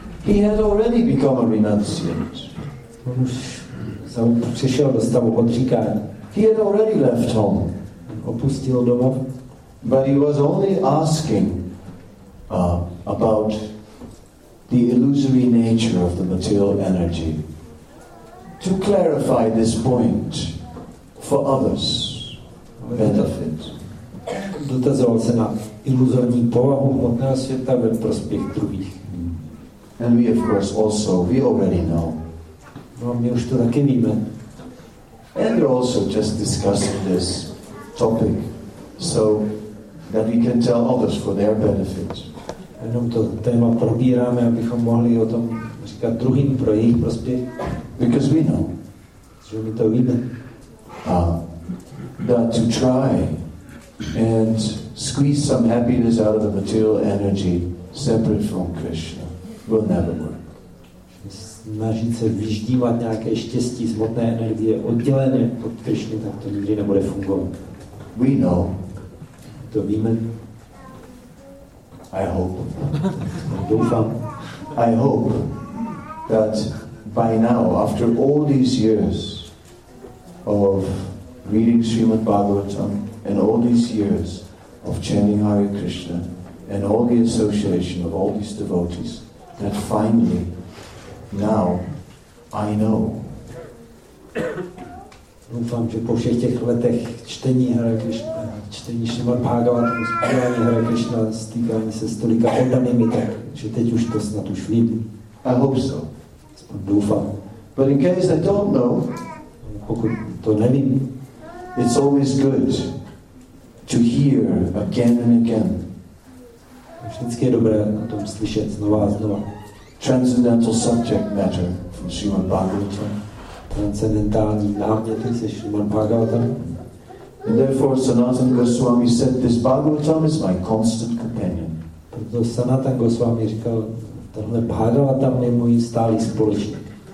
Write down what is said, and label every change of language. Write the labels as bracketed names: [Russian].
[English] He had already become a renunciant. [Czech] On už přišel do stavu odříkání. [English] He had already left home. [Czech] Opustil domov. [English] But he was only asking about the illusory nature of the material energy. To clarify this point for others, benefit. [Czech] Dotazoval se na iluzorní povahu hmotného světa ve prospěch druhých. [English] And we, of course, also, we already know. [Czech] No, my už to taky víme. [English] And we're also just discussing this topic so that we can tell others for their benefit. [Czech] Jenom to téma probíráme, abychom mohli o tom říkat druhým pro jejich prospěch. [English] Because we know. [Czech] Že my to víme. [English] That to try and squeeze some happiness out of the material energy separate from Krishna will never work. [Czech] Snažit se vyždívat nějaké štěstí z hmotné energie oddělené od Krishny, tak to nikdy nebude fungovat. [English] We know. [Czech] To víme. [English] I hope. [Czech] Doufám. [English] I hope that by now, after all these years of reading Srimad Bhagavatam and all these years of chanting Hare Krishna and all the association of all these devotees, that finally, now, I know [Czech] Doufám, že po všech těch letech čtení Hare Krishna, čtení Šrimad Bhagavatam, zpívání Hare Krishna, stýkání se s tolika oddanými, tak že teď už to snad už vím. [English] I hope so. [Czech] Aspoň doufám. [English] But in case I don't know, [Czech] pokud to nevím, [English] it's always good to hear again and again. [Czech] Vždycky je dobré na tom slyšet znova a znova. [English] Transcendental subject matter from Srimad Bhagavatam. [Czech] Transcendentální náměty se Srimad Bhagavatam. [English] And therefore Sanatana Goswami said, this Bhagavatam is my constant companion. [Czech] Proto Sanatana Goswami říkal, tohle Bhagavatam je můj stálý společník.